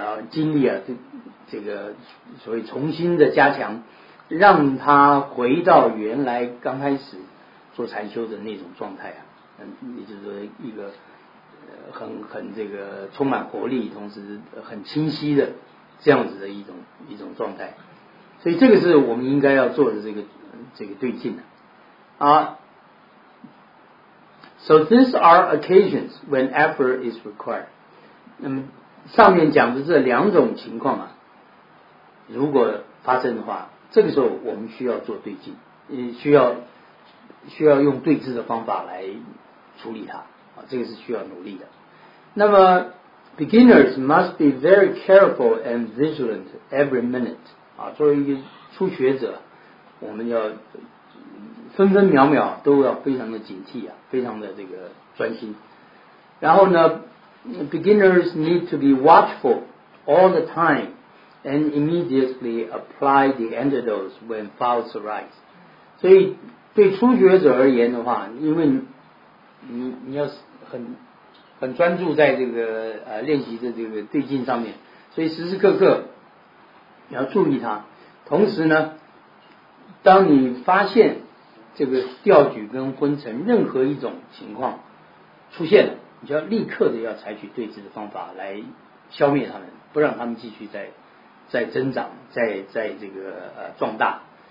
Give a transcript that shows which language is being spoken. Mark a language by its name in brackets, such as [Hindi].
[Chinese] 精力啊，这个所谓重新的加强，让他回到原来刚开始做禅修的那种状态啊，也就是说一个很这个充满活力，同时很清晰的这样子的一种状态，所以这个是我们应该要做的这个对境的啊。 [English] So these are occasions when effort is required. [Chinese] 上面讲的这两种情况啊，如果发生的话，这个时候我们需要做对境，需要用对峙的方法来处理它啊，这个是需要努力的。那么 [English] beginners must be very careful and vigilant every minute [Chinese] 啊，作为一个初学者，我们要分分秒秒都要非常的警惕啊，非常的这个专心。然后呢？ [English] Beginners need to be watchful all the time and immediately apply the antidotes when faults arise. [Chinese] 所以对初学者而言的话，因为 你要很专注在这个练习的这个对境上面，所以时时刻刻你要注意它。同时呢，当你发现这个调举跟昏沉任何一种情况出现了，你就要立刻的要采取对峙的方法来消灭他们，不让他们继续在增长，在这个壮大。